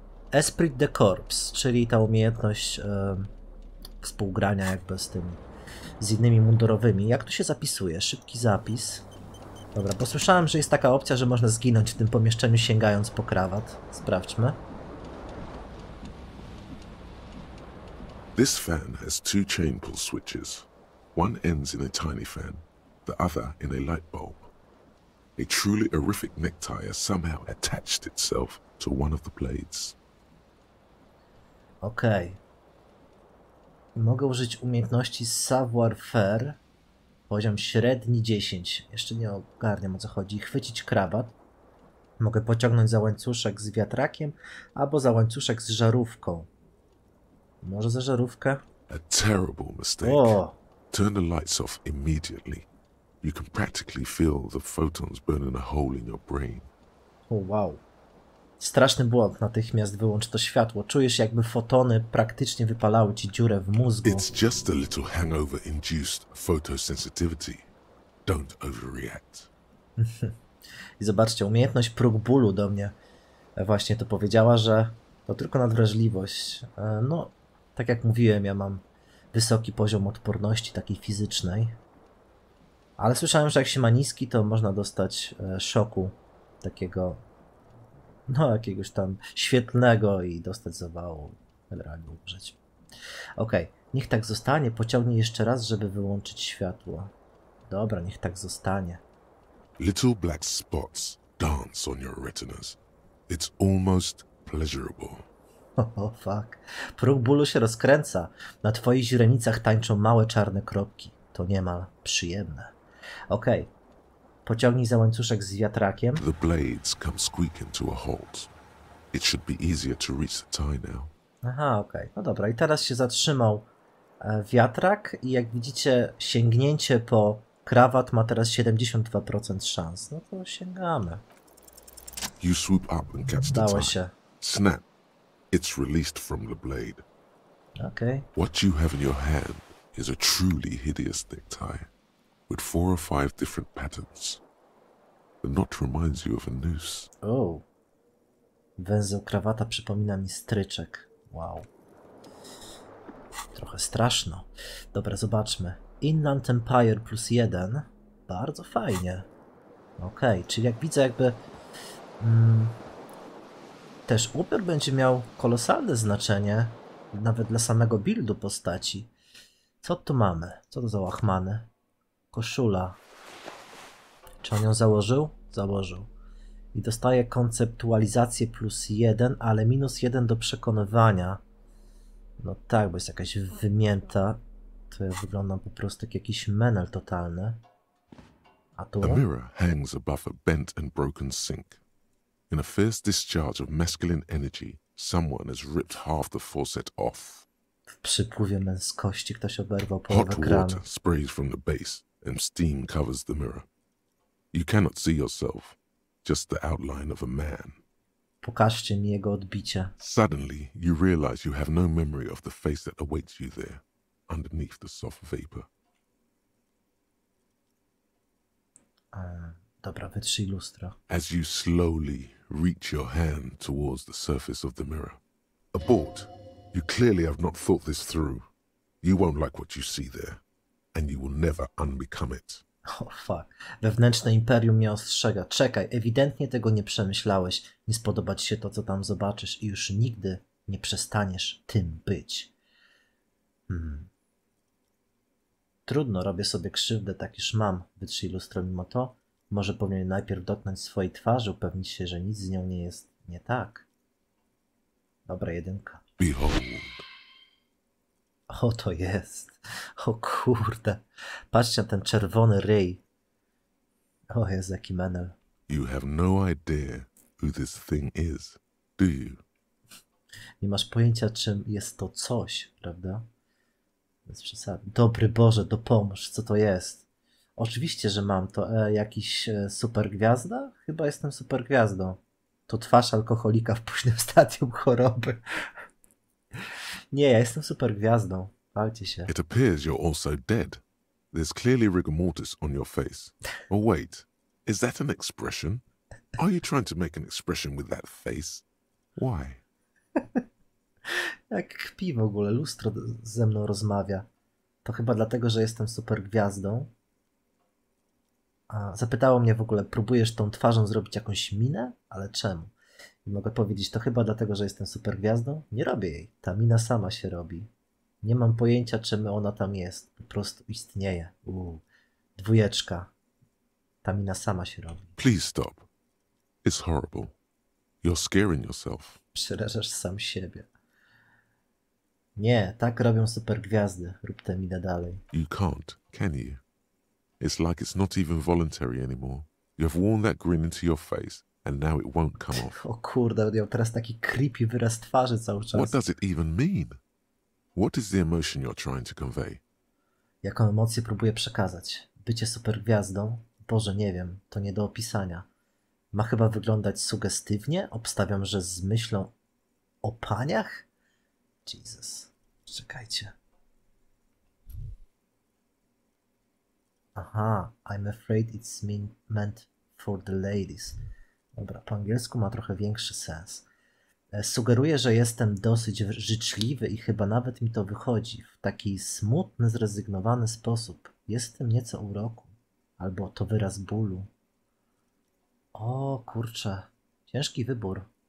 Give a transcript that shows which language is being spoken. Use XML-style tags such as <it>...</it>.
<pl>Esprit de corps, czyli ta umiejętność współgrania jakby z tym, z innymi mundurowymi. Jak to się zapisuje? Szybki zapis. Dobra, bo słyszałem, że jest taka opcja, że można zginąć w tym pomieszczeniu sięgając po krawat. Sprawdźmy.</pl> <en>This fan has two chain pull switches. One ends in a tiny fan, the other in a light bulb. A truly horrific necktie has somehow attached itself to one of the blades.</en> <pl>Okej.</pl> <en>Okay.</en> <pl>Mogę użyć umiejętności savoir-faire. Poziom średni 10. Jeszcze nie ogarniam, o co chodzi. Chwycić krawat. Mogę pociągnąć za łańcuszek z wiatrakiem albo za łańcuszek z żarówką. Może za żarówkę?</pl> <en>A terrible mistake. Turn the lights off immediately. You can practically feel the photons burning a hole in your brain. Oh, wow.</en> <pl>Straszny błąd. Natychmiast wyłącz to światło. Czujesz, jakby fotony praktycznie wypalały ci dziurę w mózgu.</pl> <en>It's just a little hangover induced photosensitivity. Don't overreact.</en> <pl>I zobaczcie, umiejętność próg bólu do mnie właśnie to powiedziała, że to tylko nadwrażliwość. No, tak jak mówiłem, ja mam wysoki poziom odporności takiej fizycznej. Ale słyszałem, że jak się ma niski, to można dostać szoku takiego, no jakiegoś tam świetlnego i dostać zawału, generalnie umrzeć. Okej,</pl> <en>okay.</en> <pl>Niech tak zostanie, pociągnij jeszcze raz, żeby wyłączyć światło. Dobra, niech tak zostanie.</pl> <en>Little black spots dance on your retinas. It's almost pleasurable. Oh, fuck.</en> <pl>Próg bólu się rozkręca. Na twoich źrenicach tańczą małe czarne kropki. To niemal przyjemne. Okej.</pl> <en>Okay.</en> <pl>Pociągnij za łańcuszek z wiatrakiem.</pl> <en>The blades come squeaking to a halt. It should be easier to reach the tie now.</en> <pl>Aha, okej.</pl> <en>Okay.</en> <pl>No dobra, i teraz się zatrzymał wiatrak i jak widzicie, sięgnięcie po krawat ma teraz 72% szans. No to sięgamy.</pl> <en>You swoop up and catch the tie.</en> <pl>Dało się.</pl> <en>Snap. It's released from the blade.</en> <pl>Okej.</pl> <en>Okay. What you have in your hand is a truly hideous necktie. With four or five different patterns. The knot reminds you of a noose. Oh.</en> <pl>Węzeł krawata przypomina mi stryczek. Wow. Trochę straszno. Dobra, zobaczmy. Inland Empire plus jeden. Bardzo fajnie. Okej,</pl> <en>okay.</en> <pl>Czyli jak widzę jakby... też upiór będzie miał kolosalne znaczenie. Nawet dla samego buildu postaci. Co tu mamy? Co to za łachmany? Koszula. Czy on ją założył? Założył. I dostaje konceptualizację plus jeden, ale minus jeden do przekonywania. No tak, bo jest jakaś wymięta. To ja wyglądam po prostu jak jakiś menel totalny. A tu?</pl> <en>A mirror hangs above a bent and broken sink. In a fierce discharge of masculine energy, someone has ripped half the faucet off.</en> <pl>W przypływie męskości ktoś oberwał połowę kranu.</pl> <en>Hot water sprays from the base. And steam covers the mirror. You cannot see yourself, just the outline of a man.</en> <pl>Pokażcie mi jego odbicie.</pl> <en>Suddenly, you realize you have no memory of the face that awaits you there, underneath the soft vapor.</en> <pl>Dobra, wytrzyj lustro.</pl> <en>As you slowly reach your hand towards the surface of the mirror. Abort. You clearly have not thought this through. You won't like what you see there. And you will never unbecome it. Oh, fuck.</en> <pl>Wewnętrzne imperium mnie ostrzega. Czekaj, ewidentnie tego nie przemyślałeś. Nie spodoba ci się to, co tam zobaczysz i już nigdy nie przestaniesz tym być. Hmm. Trudno, robię sobie krzywdę, tak już mam. Wytrzyj lustro mimo to. Może powinien najpierw dotknąć swojej twarzy, upewnić się, że nic z nią nie jest nie tak. Dobra, jedynka.</pl> <en>Behold.</en> <pl>O, to jest. O kurde. Patrzcie na ten czerwony ryj. O Jezu, jaki menel.</pl> <en>You have no idea who this thing is, do you?</en> <pl>Nie masz pojęcia, czym jest to coś, prawda? Bez przesady. Dobry Boże, dopomóż, co to jest? Oczywiście, że mam to. Jakiś supergwiazda? Chyba jestem supergwiazdą. To twarz alkoholika w późnym stadium choroby. Nie, ja jestem supergwiazdą. Bawcie się.</pl> <en>It appears you're also dead. There's clearly rigor mortis on your face. Oh wait, is that an expression? Are you trying to make an expression with that face? Why?</en> <pl>Jak kpi w ogóle, lustro ze mną rozmawia. To chyba dlatego, że jestem supergwiazdą. Zapytało mnie w ogóle, próbujesz tą twarzą zrobić jakąś minę? Ale czemu? I mogę powiedzieć, to chyba dlatego, że jestem supergwiazdą? Nie robię jej. Ta mina sama się robi. Nie mam pojęcia, czemu ona tam jest. Po prostu istnieje. Dwójeczka. Ta mina sama się robi.</pl> <en>Please stop. It's horrible. You're scaring yourself.</en> <pl>Przerażasz sam siebie. Nie, tak robią supergwiazdy. Rób tę minę dalej.</pl> <en>You can't, can you? It's like it's not even voluntary anymore. You have worn that grin into your face and now it won't come off.</en> <pl>O kurde, miał teraz taki creepy wyraz twarzy cały czas.</pl> <en>What does it even mean? What is the emotion you're trying to convey?</en> <pl>Jaką emocję próbuję przekazać? Bycie supergwiazdą? Boże, nie wiem, to nie do opisania. Ma chyba wyglądać sugestywnie? Obstawiam, że z myślą o paniach? Jesus. Czekajcie.</pl> <en>Aha, I'm afraid it's meant for the ladies.</en> <pl>Dobra, po angielsku ma trochę większy sens. Sugeruję, że jestem dosyć życzliwy i chyba nawet mi to wychodzi w taki smutny, zrezygnowany sposób. Jestem nieco uroku. Albo to wyraz bólu. O kurczę, ciężki wybór.</pl>